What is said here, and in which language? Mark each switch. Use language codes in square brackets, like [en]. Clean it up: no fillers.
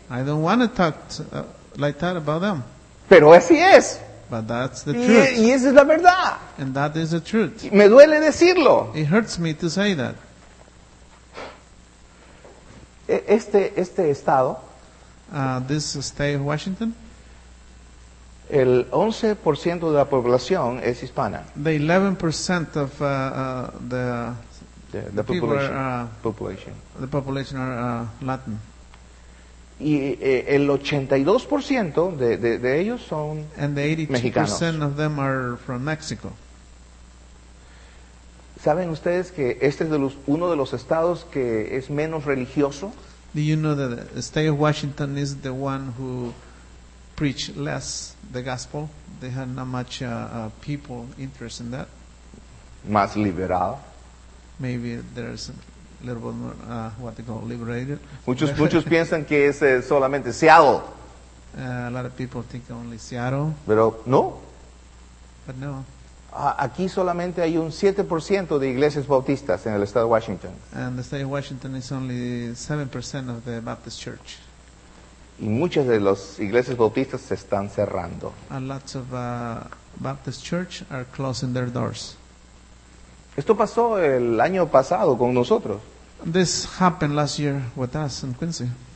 [en] I don't want to talk like that about them. [es] Pero así es. [en] But that's the truth. [es] Y esa es la verdad. [en] And that is the truth. [es] Y me duele decirlo. [en] It hurts me to say that. [es] Este estado, [en] this state of Washington, [es] el 11% de la población es hispana. [en] The 11% of the people population. The population are Latin. [es] Y el 82% de ellos son mexicanos. [en] And the 82% of them are from Mexico. [es] ¿Saben ustedes que este es uno de los estados que es menos religioso? [en] Do you know that the state of Washington is the one who preach less the gospel? They have not much people interest in that. [es] Más liberal. [en] Maybe there's a little bit more, what they call, liberated. [es] Muchos piensan que es solamente Seattle. [en] A lot of people think only Seattle. [es] Pero no. [en] But no. [es] Aquí solamente hay un 7% de iglesias bautistas en el estado de Washington. [en] And the state of Washington is only 7% of the Baptist church. [es] Y muchas de las iglesias bautistas se están cerrando. [en] And lots of Baptist church are closing their doors. [es] Esto pasó el año pasado con nosotros. [en] This happened last year with us in Quincy.